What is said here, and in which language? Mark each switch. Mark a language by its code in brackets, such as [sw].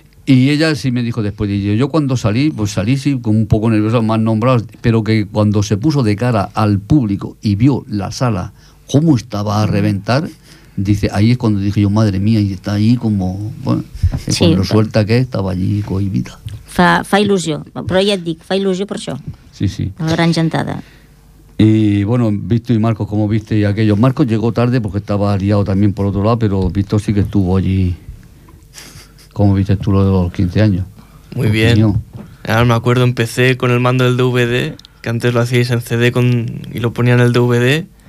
[es] Y ella sí me dijo después, y yo cuando salí, pues salí sí, como un poco nervioso, más nombrado, pero que cuando se puso de cara al público y vio la sala, cómo estaba a reventar, dice, ahí es cuando dije yo, madre mía, y está ahí como, bueno, sí, con lo suelta que estaba allí cohibida. [ca] Fa il·lusió, però ja et dic, fa il·lusió per això. [es] Sí, sí. [ca] Una gran gentada. [es] Y bueno, Víctor y Marcos, ¿cómo viste y aquello? Marcos llegó tarde porque estaba liado también por otro lado, pero Víctor sí que estuvo allí... ¿Cómo viste tú lo de los 15 años? Muy bien. Ahora me acuerdo, empecé con el mando del DVD, que antes lo hacíais en CD y lo ponía en el DVD.